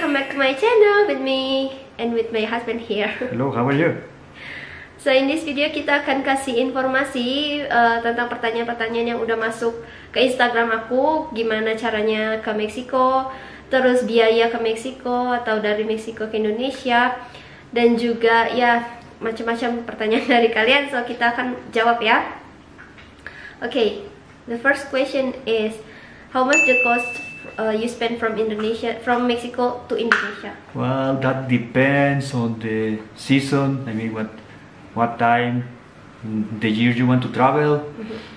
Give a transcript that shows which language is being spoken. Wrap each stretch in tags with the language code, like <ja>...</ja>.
<en>my channel with me and with my husband here. Hello, how are you? So in this video</en> <id>kita akan kasih informasi tentang pertanyaan-pertanyaan yang udah masuk ke Instagram aku, gimana caranya ke Meksiko, terus biaya ke Meksiko atau dari Meksiko ke Indonesia, dan juga ya macam-macam pertanyaan dari kalian. So kita akan jawab ya.</id> <en>Okay, the first question is how much the cost you spend from Indonesia, from Mexico to Indonesia? Well, that depends on the season. I mean, what time the year you want to travel. Mm-hmm.</en>